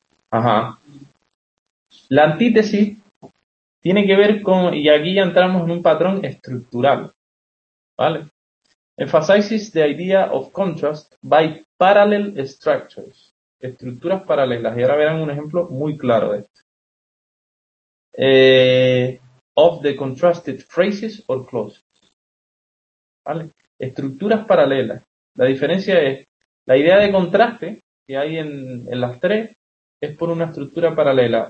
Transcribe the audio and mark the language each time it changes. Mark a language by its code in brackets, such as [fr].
[es] Ajá. La antítesis tiene que ver con, y aquí ya entramos en un patrón estructural, ¿vale? [en] Emphasizes the idea of contrast by parallel structures. [es] Estructuras paralelas. Y ahora verán un ejemplo muy claro de esto. [en] Of the contrasted phrases or clauses. [es] ¿Vale? Estructuras paralelas. La diferencia es, la idea de contraste que hay en las tres es por una estructura paralela.